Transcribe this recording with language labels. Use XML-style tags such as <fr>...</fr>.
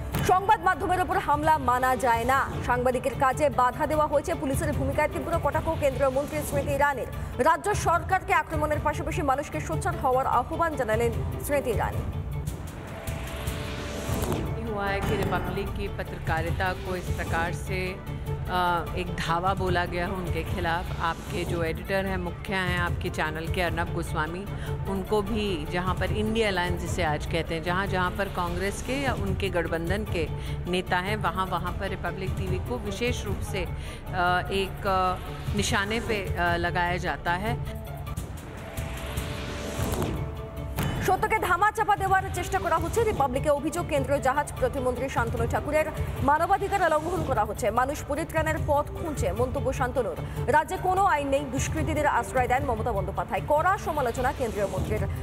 <bn>সংবাদ মাধ্যমের উপর হামলা মানা যায় না। সাংবাদিকের কাজে বাধা দেওয়া হয়েছে পুলিশের ভূমিকায় তীব্র কটাক্ষ কেন্দ্রীয় মন্ত্রী স্মৃতি ইরানির। রাজ্য সরকারকে আক্রমণের পাশাপাশি মানুষকে সোচ্চার হওয়ার আহ্বান জানালেন স্মৃতি ইরানি।</bn> <hi>हुआ है कि रिपब्लिक की पत्रकारिता को इस प्रकार से एक धावा बोला गया है उनके खिलाफ। आपके जो एडिटर हैं, मुख्य हैं आपके चैनल के, अर्नब गोस्वामी, उनको भी जहां पर इंडिया अलायंस जिसे आज कहते हैं, जहां जहां पर कांग्रेस के या उनके गठबंधन के नेता हैं वहां वहां पर रिपब्लिक टीवी को विशेष रूप से एक निशाने पर लगाया जाता है।</hi> <bn>সত্যকে ধামা চাপা দেওয়ার চেষ্টা করা হচ্ছে। রিপাবলিকে অভিযোগ, কেন্দ্রীয় জাহাজ প্রতিমন্ত্রী শান্তনু ঠাকুরের মানবাধিকার লঙ্ঘন করা হচ্ছে, মানুষ পরিত্রাণের পথ খুঁজছে মন্তব্য শান্তনুর। রাজ্যে কোনো আইন নেই, দুষ্কৃতীদের আশ্রয় দেন মমতা বন্দ্যোপাধ্যায়, কড়া সমালোচনা কেন্দ্রীয় মন্ত্রীর।</bn>